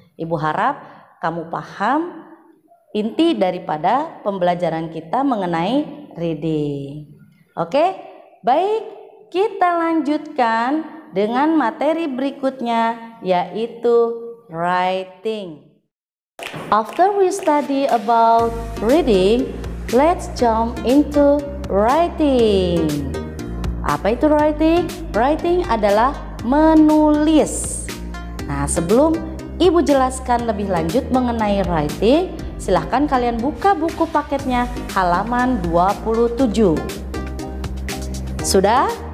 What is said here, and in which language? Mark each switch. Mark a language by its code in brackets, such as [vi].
[id] Ibu harap kamu paham inti daripada pembelajaran kita mengenai reading. Oke, baik, kita lanjutkan dengan materi berikutnya, yaitu writing. [en] After we study about reading, let's jump into writing. [id] Apa itu writing? Writing adalah menulis. Nah, sebelum Ibu jelaskan lebih lanjut mengenai writing, silahkan kalian buka buku paketnya halaman 27. Sudah?